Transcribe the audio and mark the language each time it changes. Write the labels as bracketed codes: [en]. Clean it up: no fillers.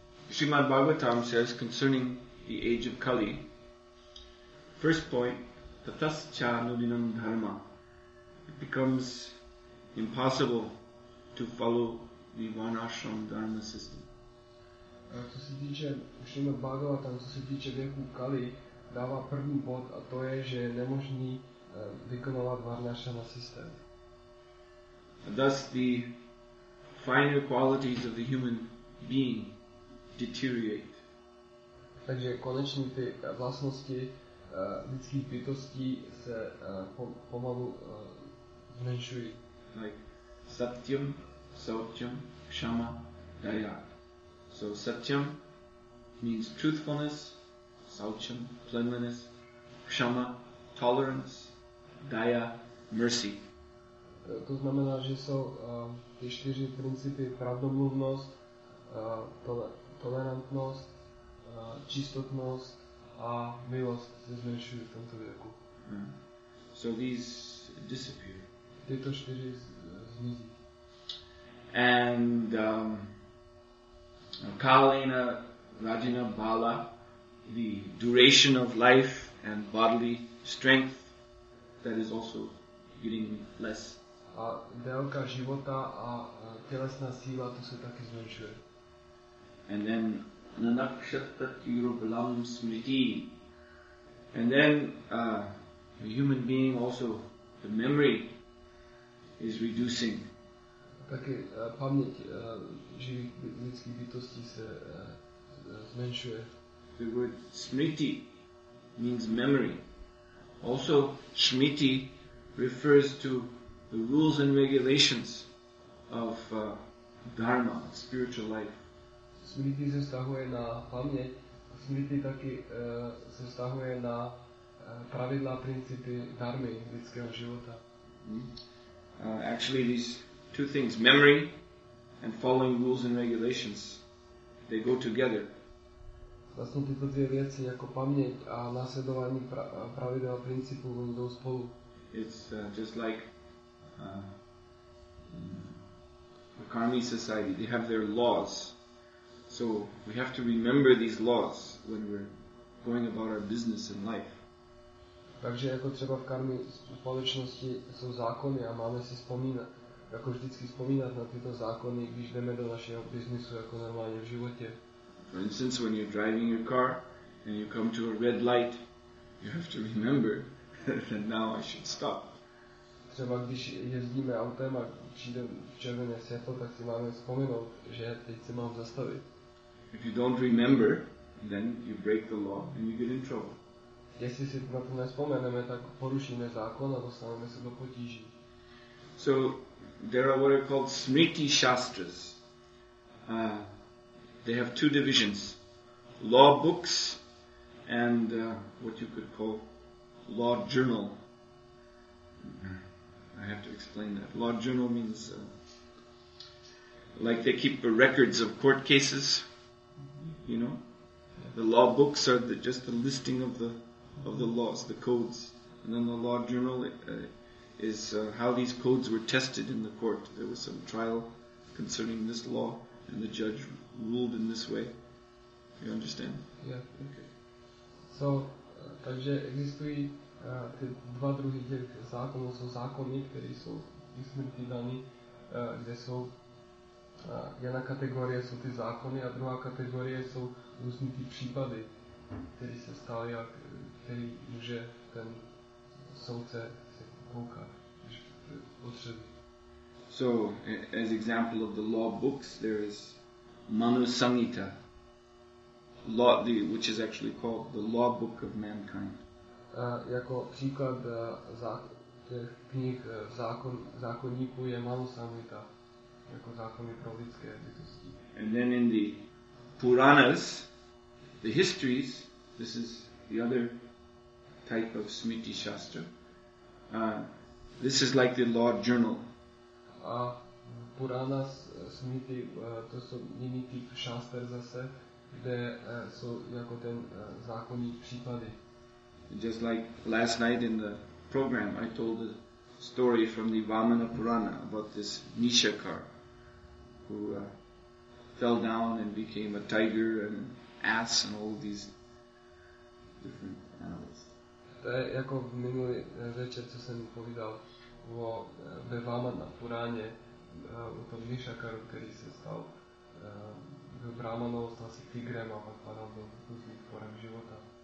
[en] Srimad Bhagavatam says concerning the age of Kali. First point, [sa] tatascha nudinam dharma. [en] It becomes impossible to follow the vanashram dharma system. [cs] Co se týče Srimad Bhagavatam, co se týče věku Kali, dává první bod a to je, že je nemožný vykonovat vanashrama systém. [en] Thus the finer qualities of the human being deteriorate. [cs] Takže konečně ty vlastnosti lidských bytostí se pomalu zmenšují. [en] Like satyam, saucham, kshama, daya. So satyam means truthfulness, saucham, cleanliness, kshama, tolerance, daya, mercy. [cs] To znamená, že jsou ty čtyři principy pravdomluvnost, tolerantnost, čistotnost a milost se zmenšují v tomto věku. [en] So these disappear. [cs] Tyto čtyři zmizí. [en] And [sa] kalena rajina bala, [en] the duration of life and bodily strength, that is also getting less. [cs] A délka života a tělesná síla, to se taky zmenšuje. [en] And then [sa] nanakshatatyurubalam smriti. [en] And then a human being also, the memory is reducing. [cs] Taky paměť živých lidských bytostí se zmenšuje. [en] The word smriti means memory. Also smriti refers to the rules and regulations of dharma, spiritual life. [cs] Smriti se vztahuje na paměť, smriti taky se vztahuje na pravidla, principy, dharmy lidského života. [en] Actually these two things, memory and following rules and regulations, they go together. [cs] Vlastně tyto dvě věci, jako paměť a následování pravidel a principů, jdou spolu. [en] It's just like the Karmi society, they have their laws. So we have to remember these laws when we're going about our business in life. [cs] Takže jako třeba v karmi společnosti jsou zákony a máme si vzpomínat, jako vždycky vzpomínat na tyto zákony, když jdeme do našeho biznisu jako normálně v životě. [en] For instance, when you're driving your car and you come to a red light, you have to remember that now I should stop. [cs] Třeba když jezdíme autem a přijde červené světlo, tak si máme vzpomenout, že teď se mám zastavit. [en] If you don't remember, then you break the law and you get in trouble. [cs] Jestli si na to nespomeneme, tak porušíme zákon a dostaneme se do potíží. [en] So there are what are called smriti shastras. They have two divisions, law books and what you could call law journal. I have to explain that. Law journal means like they keep records of court cases, you know. The law books are just the listing of the laws, the codes. And then the law journal is how these codes were tested in the court. There was some trial concerning this law and the judge ruled in this way. You understand? Yeah. Okay. [cs] So, takže existují ty dva druhy těch zákonů. Jsou zákony, které jsou smrti dané, kde jsou jedna kategorie jsou ty zákony a druhá kategorie jsou různý ty případy, které se staly a který může ten soudce se koukat, když potřebuje. [en] So, as example of the law books, there is Manu Sangita, law, which is actually called the law book of mankind. [cs] Jako příklad těch knih zákonníků je Manu Sangita, jako zákony pro lidské bytosti. [en] And then in the Puranas, the histories, this is the other type of smriti shastra. This is like the law journal. [cs] A Purana smriti to jsou jiný typ šáster zase, kde jsou jako ten zákonní případy. [en] Just like last night in the program, I told a story from the Vamana Purana about this Nishakar, who fell down and became a tiger and an ass and all these different animals. [cs] To je jako v minulý večer, co jsem povídal o ve Vamana Puráně, o tom Nishakaru, který se stal ve Vrámanovu, stal se tigrem a pak padal do různých forem života.